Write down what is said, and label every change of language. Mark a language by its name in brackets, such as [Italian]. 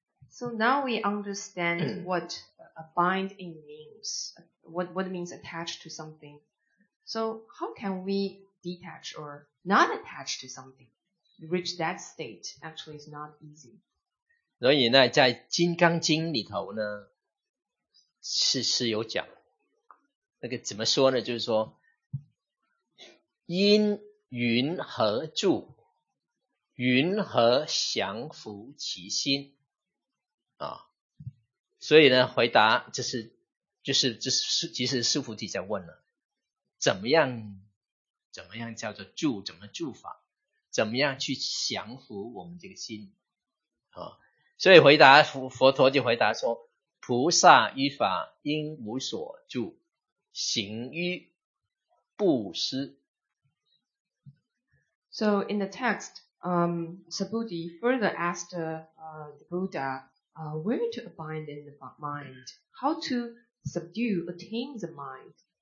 [English] So now we understand what abiding means, what means attached to something. So how can we detach or not attach to something? Reach that state actually is not easy. [Chinese] 所以呢，在《金刚经》里头呢，是有讲，那个怎么说呢？就是说，因云何住，云何降伏其心啊？所以呢，回答就是师父弟在问了，怎么样叫做住？怎么住法？怎么样去降伏我们这个心啊？所以回答佛陀就回答说：菩萨于法应无所住，行于布施。 [English] So in the text, Sabudhi further asked the Buddha where to abide in the mind, how to subdue, attain the mind.